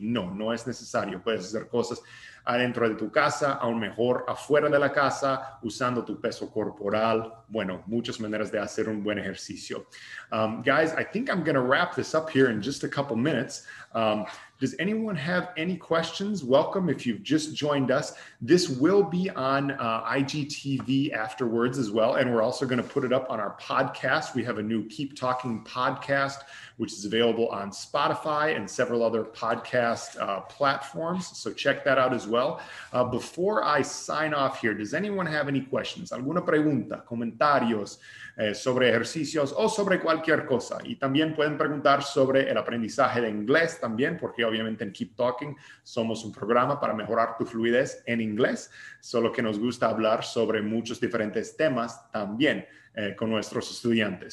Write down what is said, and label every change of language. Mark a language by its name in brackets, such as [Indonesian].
[Spanish] No es necesario. Puedes hacer cosas adentro de tu casa, aún mejor afuera de la casa, usando tu peso corporal. Bueno, muchas maneras de hacer un buen ejercicio. [English] Guys, I think I'm going to wrap this up here in just a couple minutes. Does anyone have any questions? Welcome if you've just joined us. This will be on IGTV afterwards as well, and we're also going to put it up on our podcast. We have a new Keep Talking podcast, which is available on Spotify and several other podcast platforms, so check that out as well. Before I sign off here, does anyone have any questions? [Spanish] ¿Alguna pregunta, comentarios sobre ejercicios o sobre cualquier cosa? Y también pueden preguntar sobre el aprendizaje de inglés también, porque obviamente en Keep Talking somos un programa para mejorar tu fluidez en inglés, solo que nos gusta hablar sobre muchos diferentes temas también con nuestros estudiantes.